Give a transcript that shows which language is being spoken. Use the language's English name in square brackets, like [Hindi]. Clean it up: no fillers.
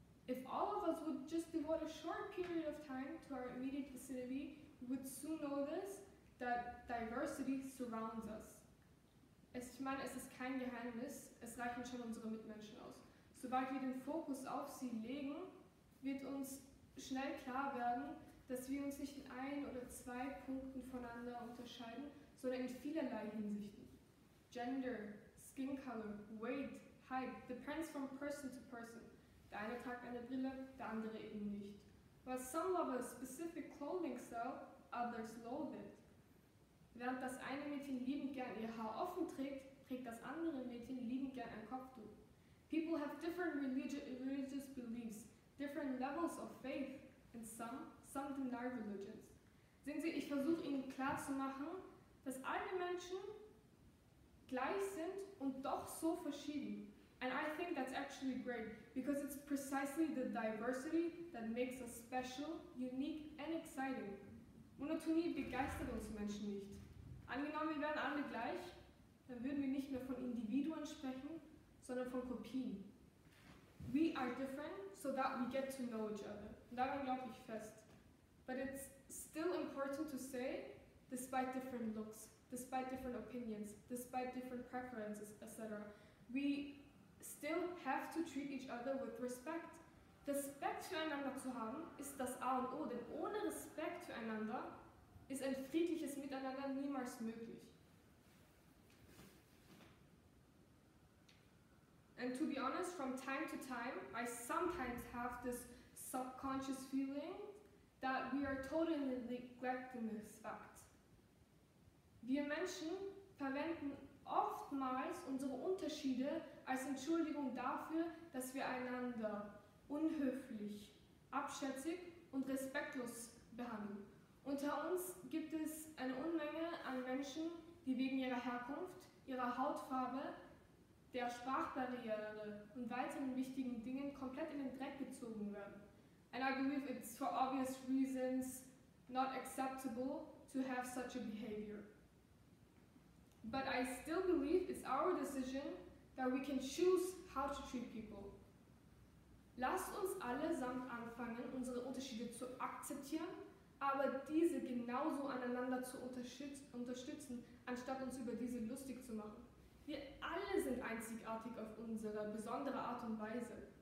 [English] If all of us would just devote a short period of time to our immediate vicinity, we would soon notice that diversity surrounds us. [German] Ich meine, es ist kein Geheimnis, es reichen schon unsere Mitmenschen aus. Sobald wir den Fokus auf sie legen, wird uns schnell klar werden, dass wir uns nicht in ein oder zwei Punkten voneinander unterscheiden, sondern in vielerlei Hinsichten. [English] Gender, skin color, weight, height depends from person to person. [German] Der eine trägt eine Brille, der andere eben nicht. [English] While some of a specific clothing style, others loathe it. [German] Während das eine Mädchen liebend gern ihr Haar offen trägt, trägt das andere Mädchen liebend gern ein Kopftuch. [English] People have different religious beliefs, different levels of faith, and some deny religions. [German] Sehen Sie, ich versuche Ihnen klarzumachen, dass alle Menschen gleich sind und doch so verschieden. [English] And I think that's actually great, because it's precisely the diversity that makes us special, unique, and exciting. [German] Monotonie begeistert uns Menschen nicht. Angenommen, wir wären alle gleich, dann würden wir nicht mehr von Individuen sprechen, sondern von Kopien. [English] We are different, so that we get to know each other. [German] Und daran glaube ich fest. [English] But it's still important. important to say, despite different looks, despite different opinions, despite different preferences, etc., we still have to treat each other with respect. [German] Respekt füreinander zu haben, ist das A und O, denn ohne Respekt füreinander ist ein friedliches Miteinander niemals möglich. [English] And to be honest, from time to time, I sometimes have this subconscious feeling that we are totally neglecting this fact. [German] Wir Menschen verwenden oftmals unsere Unterschiede als Entschuldigung dafür, dass wir einander unhöflich, abschätzig und respektlos behandeln. Unter uns gibt es eine Unmenge an Menschen, die wegen ihrer Herkunft, ihrer Hautfarbe, der Sprachbarriere und weiteren wichtigen Dingen komplett in den Dreck gezogen werden. [English] And I believe it's for obvious reasons not acceptable to have such a behavior. But I still believe it's our decision that we can choose how to treat people. [German] Lasst uns allesamt anfangen, unsere Unterschiede zu akzeptieren, aber diese genauso aneinander zu unterstützen, anstatt uns über diese lustig zu machen. Wir alle sind einzigartig auf unsere besondere Art und Weise.